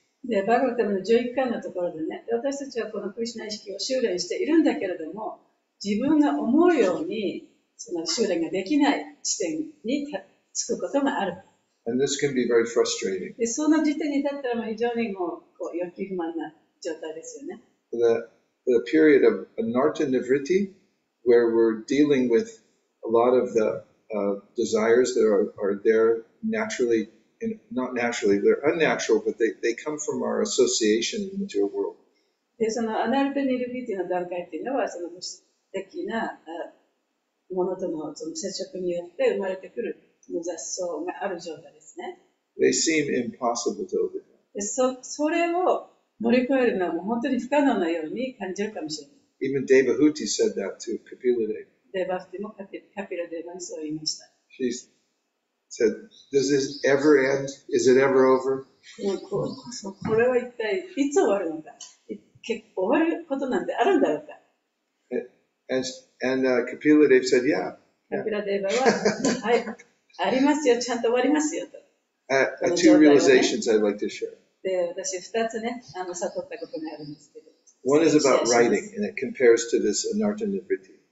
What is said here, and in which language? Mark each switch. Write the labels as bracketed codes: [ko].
[ja] で、バグワタムの11巻のところでね、私たちはこのクリシュナ意識を修練しているんだけれども、自分が思うようにその修練ができない地点に着くことがある。 [en] And this can be very frustrating. [ja] で、その時点に至ったら非常にもうこう欲求不満な状態ですよね。 [en] The period of anartha nivritti, where we're dealing with a lot of the desires that are there naturally, and not naturally, they're unnatural, but they come from our association in the material world. [ja] で、そのアナルタニルビティの段階っていうのはその物質的な、ものとのその接触によって生まれてくる雑草がある状態ですね。 [en] They seem impossible to overcome. [ja] それを乗り越えるのはもう本当に不可能なように感じるかもしれない。 [en] Even Devahuti said that to Kapiladeva. [ja] Devahuti もカピラデバにそう言いました。 [en] She said, "Does this ever end? Is it ever over?" [ja] これは一体いつ終わるのか。結構終わることなんてあるんだろうか。 [en] And Kapiladeva said, yeah. Kapiladeva [ja] はい、ありますよ、ちゃんと終わりますよと。 [en] Two realizations I'd like to share. [ja] で、私二つね、悟ったことがあるんですけど。 [en] One is about writing, and it compares to this anartha nivritti.